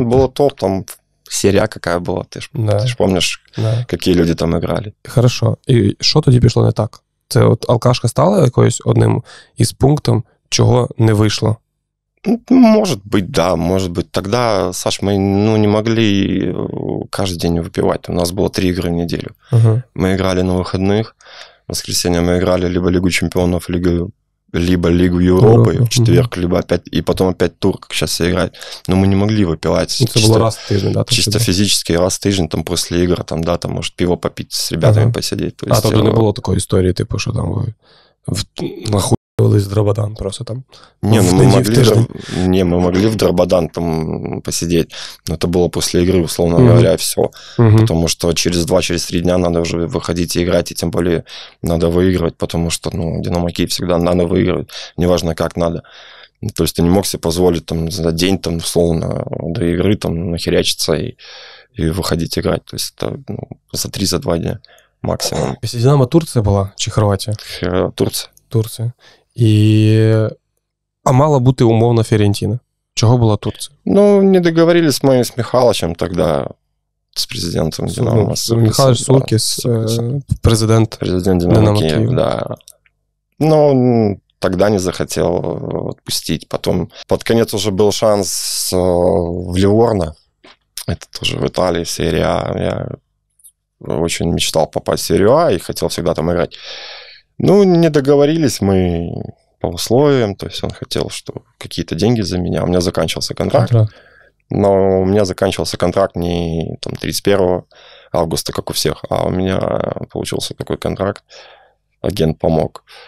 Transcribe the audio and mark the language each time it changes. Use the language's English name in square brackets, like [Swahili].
[Ukrainian] було топ, там серія яка була, ти ж пам'ятаєш, які люди там грали. Хорошо. І що тоді пішло не так? Це от алкашка стала якоюсь одним із пунктів, чого не вийшло? [Russian] Может быть. Тогда, Саш, мы не могли каждый день выпивать. У нас было 3 игры в неделю. Uh-huh. Мы играли на выходных. В воскресенье мы играли либо Лигу чемпионов, либо Лигу Европы в четверг, uh-huh. либо опять, и потом опять тур, как сейчас играть. Но мы не могли выпивать. Это чисто, было раз в тыжень, да? Чисто физически раз в тыжень, там после игр, там, да, там, может, пиво попить, с ребятами uh-huh. посидеть. То есть, а тогда не было такой истории, типа, что там вы нахуй? Или Драбадан просто там. Не, ну, мы могли в Драбадан там посидеть. Но это было после игры, условно mm-hmm. говоря, все. Mm-hmm. Потому что через 2-3 дня надо уже выходить и играть, и тем более надо выигрывать, потому что, ну, Динамо Киев всегда надо выигрывать, неважно как надо. То есть ты не мог себе позволить там за день там, условно, до игры там нахерячиться и выходить играть. То есть это, ну, за 3-2 дня максимум. Если Динамо Турция была, чи Хорватия? Турция. [Ukrainian] Турция. І... А мала бути умовно Фіорентіна. Чого була Турція? Ну, не договорились ми з Михайловичем тоді, з президентом Динамо. Михайлович Суркіс, президент Динамо Києва. Київ, да. Ну, тоді не захотів відпустити. Потім, під кінець вже був шанс в Ліворно. Це теж в Італії, в Серії А. Я дуже мечтав попасть в Серію А і хотів завжди там грати. [Russian] Ну, не договорились мы по условиям, то есть он хотел, что какие-то деньги за меня, у меня заканчивался контракт, но у меня заканчивался контракт не там 31 августа, как у всех, а у меня получился такой контракт, агент помог.